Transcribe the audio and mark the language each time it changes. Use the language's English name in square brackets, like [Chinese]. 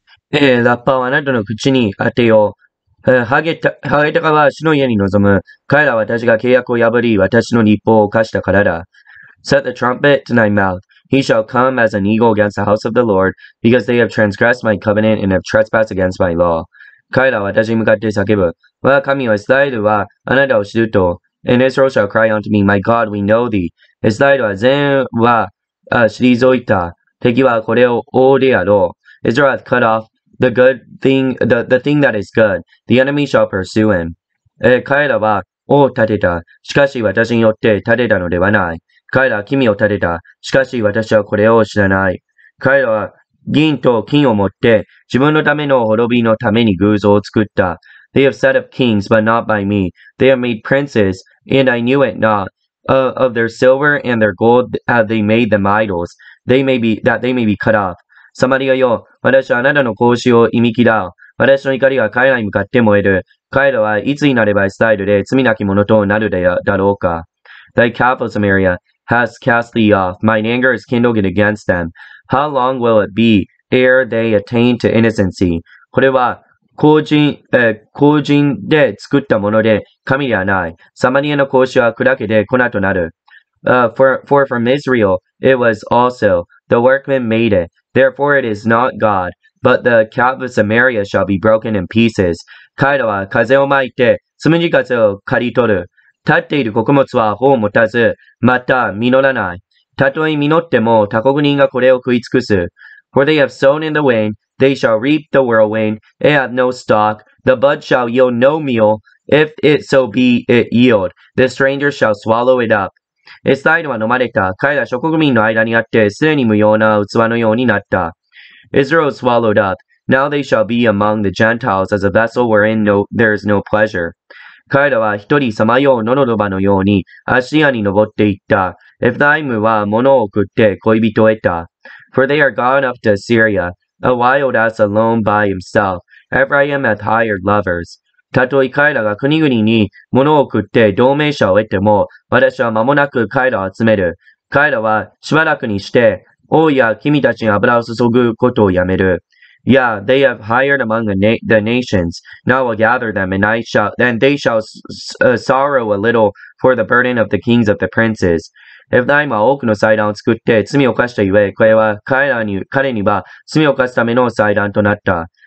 [Japanese] ラッパはあなたの口に当てよう。ハゲタカは主の家に臨む。彼らは私が契約を破り、私の律法を犯したからだ。 [English] Set the trumpet to thy mouth. He shall come as an eagle against the house of the Lord, because they have transgressed my covenant and have trespassed against my law. [Japanese] 彼らは私に向かって叫ぶ。我が神よ、イスラエルはあなたを知ると。 [English] And Israel shall cry unto me, My God, we know thee. [Japanese] イスラエルは善は退いた。敵はこれを追うであろう。 [English] Israel hath cut off the good thing, the thing that is good. The enemy shall pursue him. [Japanese] 彼らは王を立てた。しかし私によって立てたのではない。彼らは君を立てた。しかし私はこれを知らない。彼らは銀と金を持って自分のための滅びのために偶像を作った。 [English] They have set up kings, but not by me. They have made princes, and I knew it not. Of their silver and their gold have they made them idols, that they may be cut off. [Japanese] サマリアよ、私はあなたの格子を忌み嫌う。私の怒りは彼らに向かって燃える。彼らはいつになればイスラエルで罪なき者となるだろうか。 [English] Thy capital, Samaria, has cast thee off. Mine anger is kindled against them. How long will it be ere they attain to innocency? [Japanese] これは、工人で作ったもので神ではない。サマリアの格子は砕けて粉となる。 [English] For from Israel it was also, the workmen made it. Therefore it is not God, but the cap of Samaria shall be broken in pieces. [Japanese] 彼らは風をまいて、つむじ風を刈り取る。立っている穀物は穂を持たず、また実らない。たとえ実っても他国人がこれを食い尽くす。 [English] For they have sown in the wind, they shall reap the whirlwind, and have no stalk. The bud shall yield no meal, if it so be it yield. The stranger shall swallow it up. [Japanese] イスラエルは飲まれた。彼ら諸国民の間にあってすでに無用な器のようになった。 [English] Israel swallowed up. Now they shall be among the Gentiles as a vessel wherein no, there is no pleasure. [Japanese] 彼らは一人さまよう野の牙のようにアシアに登っていった。エフライムは物を送って恋人を得た。 [English] For they are gone up to Syria, a wild ass alone by himself. Ephraim hath hired lovers. [Japanese] たとえ彼らが国々に物を送って同盟者を得ても、私は間もなく彼らを集める。彼らはしばらくにして王や君たちに油を注ぐことをやめる。 [English] Yeah, they have hired among the nations. Now I'll gather them, and I shall, then they shall sorrow a little for the burden of the kings of the princes. [Japanese] エフライムは多くの祭壇を作って罪を犯したゆえ、これは彼には罪を犯すための祭壇となった。